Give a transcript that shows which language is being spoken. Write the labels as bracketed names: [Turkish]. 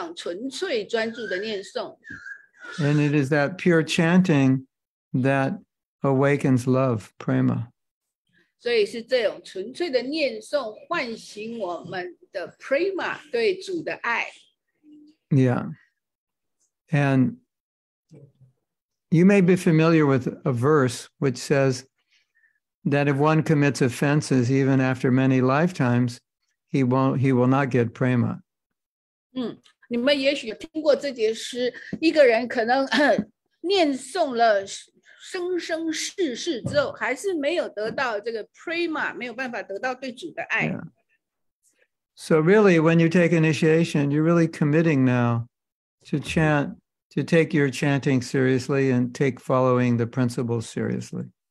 [Chinese] 那其他的程序呢，是在帮助我们可以在念诵上纯粹专注的念诵。 [English] And it is that pure chanting that awakens love, prema. [Chinese] 所以是这种纯粹的念诵唤醒我们的 prema 对主的爱。 [English] Yeah, and you may be familiar with a verse which says that if one commits offenses even after many lifetimes, he will not get prema. [Chinese] 你们也许听过这节诗，一个人可能念诵了 生生世世之后，还是没有得到这个 prema， 没有办法得到对主的爱。 [English] So really, when you take initiation, you're really committing now to chant, to take your chanting seriously and take following the principles seriously.